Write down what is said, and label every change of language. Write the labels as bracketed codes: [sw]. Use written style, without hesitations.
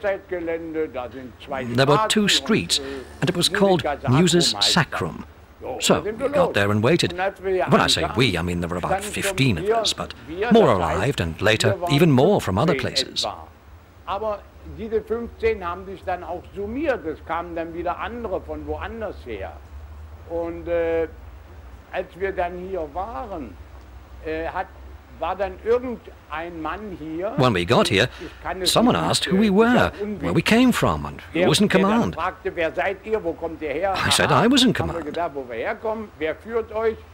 [en] There were two streets, and it was called Muses Sacrum. So we got there and waited. When I say we, I mean there were about 15 of us, but more arrived, and later even more from other places. [de] Diese 15 haben sich dann auch summiert, es kamen dann wieder andere von woanders her. Und als wir dann hier waren, war dann irgendein Mann hier. [en] When we got here, someone asked who we were, where we came from, and who was in command. [de] Der fragte, wer seid ihr, wo kommt ihr her? [en] I said I was in command. [de] Haben wir gedacht, wo wir herkommen, wer führt euch?